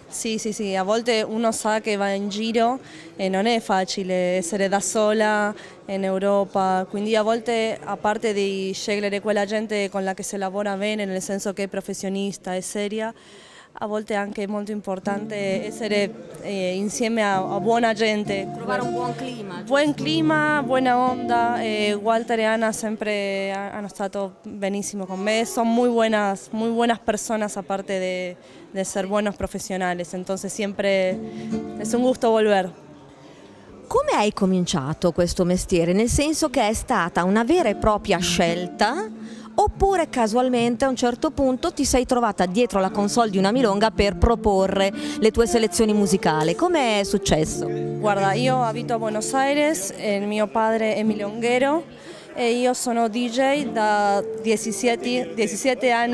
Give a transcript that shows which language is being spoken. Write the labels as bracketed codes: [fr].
[it] Sì, sì, sì, a volte uno sa che va in giro e non è facile essere da sola in Europa, quindi a volte, a parte di scegliere quella gente con la che si lavora bene, nel senso che è professionista e seria, a volte anche è molto importante essere insieme a buona gente. Trovare un buon clima. Buon clima, buona onda. E Walter e Anna sempre hanno stato benissimo con me. Sono [es] muy buenas personas, a parte de ser buenos profesionales. Entonces siempre es un gusto volver. [it] Come hai cominciato questo mestiere? Nel senso che è stata una vera e propria scelta? Oppure casualmente a un certo punto ti sei trovata dietro la console di una milonga per proporre le tue selezioni musicali? Come è successo? Guarda, io abito a Buenos Aires, il mio padre è milonghero e io sono DJ da 17 anni.